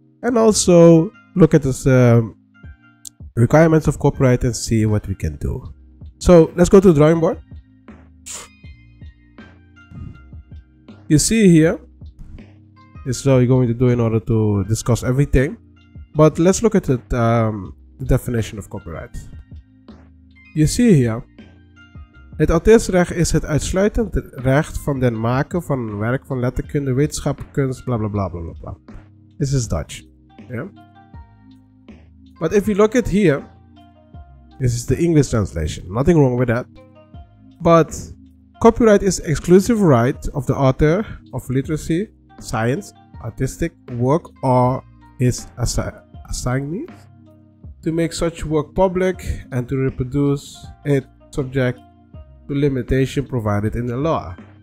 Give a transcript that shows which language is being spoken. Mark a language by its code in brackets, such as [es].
[en] And also look at this requirements of copyright and see what we can do. So let's go to the drawing board. You see here, this is how you're going to do in order to discuss everything. But let's look at it, the definition of copyright. You see here, [nl] het auteursrecht is het uitsluitend recht van den maker van een werk van letterkunde, wetenschap, kunst, bla bla bla bla bla bla. [en] This is Dutch. Yeah? But if you look at here, this is the English translation. Nothing wrong with that. But copyright is exclusive right of the author of literary, science, artistic work or his assignees to make such work public and to reproduce it subject to limitation provided in the law.